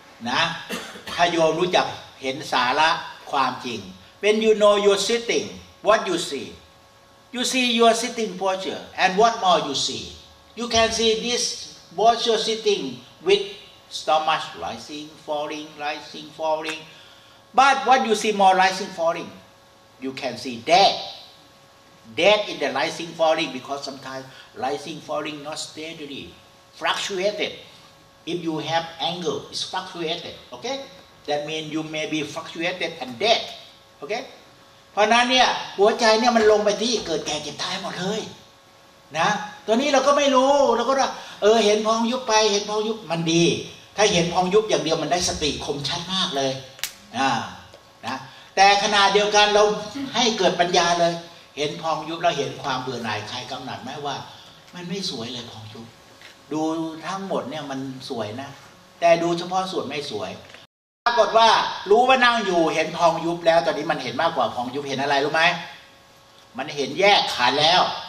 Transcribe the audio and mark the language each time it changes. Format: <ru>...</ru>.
<th>นะถ้าโยมรู้จักเห็นสาระความจริง</th> <en>when you know you're sitting what you see your sitting posture and what more you see you can see this posture sitting withStomach rising, falling, but what you see more rising, falling, you can see dead in the rising, falling, because sometimes rising, falling not steadily, fluctuated. If you have anger, it's fluctuated. Okay, that means you may be fluctuated and dead.</en> <th>Okay, เพราะนั้นเนี่ยหัวใจเนี่ยมันลงไปที่เกิดแก่เจ็บตายหมดเลยนะตอนนี้เราก็ไม่รู้เราก็ว่าเห็นพองยุบไปเห็นพองยุบมันดีถ้าเห็นพองยุบอย่างเดียวมันได้สติคมชัดมากเลยน ะแต่ขณะเดียวกันเราให้เกิดปัญญาเลยเห็นพองยุบแล้วเห็นความเบื่อหน่ายคลายกำหนัดไหมว่ามันไม่สวยเลยพองยุบดูทั้งหมดเนี่ยมันสวยนะแต่ดูเฉพาะส่วนไม่สวยปรากฏว่ารู้ว่านั่งอยู่เห็นพองยุบแล้วตอนนี้มันเห็นมากกว่าพองยุบเห็นอะไรรู้ไหมมันเห็นแยกขันแล้ว</th>